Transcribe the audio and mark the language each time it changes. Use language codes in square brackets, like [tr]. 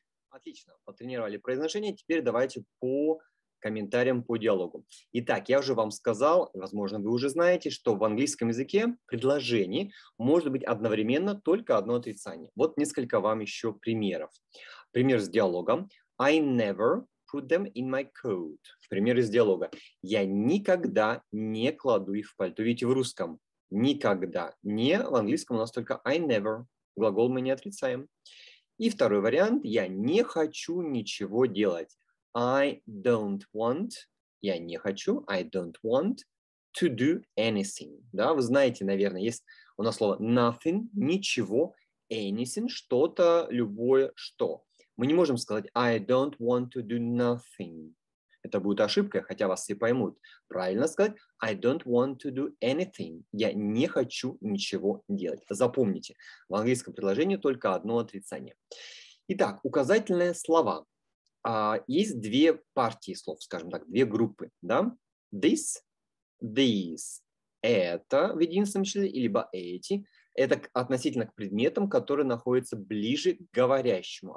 [ru] Отлично, потренировали произношение. Теперь давайте по комментариям по диалогу. Итак, я уже вам сказал, возможно, вы уже знаете, что в английском языке предложений может быть одновременно только одно отрицание. Вот несколько вам еще примеров. Пример с диалогом. [en] I never put them in my coat. [ru] Пример из диалога. Я никогда не кладу их в пальто. Видите, в русском никогда не, в английском у нас только I never. Глагол мы не отрицаем. И второй вариант. Я не хочу ничего делать. [en] I don't want, [ru] я не хочу, [en] I don't want to do anything. [ru] Да, вы знаете, наверное, есть у нас слово nothing, ничего, anything, что-то, любое, что. Мы не можем сказать [en] I don't want to do nothing. [ru] Это будет ошибкой, хотя вас все поймут. Правильно сказать [en] I don't want to do anything. [ru] Я не хочу ничего делать. Запомните, в английском предложении только одно отрицание. Итак, указательные слова. Есть две партии слов, скажем так, две группы, да? [en] This, these. [ru] Это в единственном числе, либо эти. Это относительно к предметам, которые находятся ближе к говорящему.